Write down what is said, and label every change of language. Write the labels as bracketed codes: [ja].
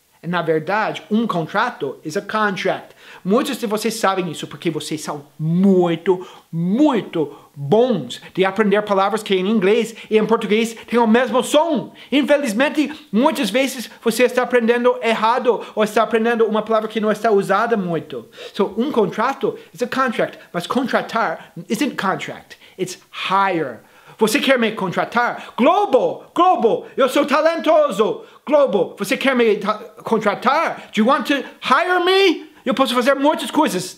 [pt] Na verdade, um contrato [en] is a contract. [pt] Muitos de vocês sabem isso porque vocês são muito, muito bons de aprender palavras que em inglês e em português têm o mesmo som. Infelizmente, muitas vezes você está aprendendo errado ou está aprendendo uma palavra que não está usada muito. [en] So, [pt] um contrato [en] is a contract, [pt] mas contratar [en] isn't contract, it's hire. [pt] Você quer me contratar? Globo, eu sou talentoso. Globo, você quer me contratar? [en] Do you want to hire me? [pt] Eu posso fazer muitas coisas.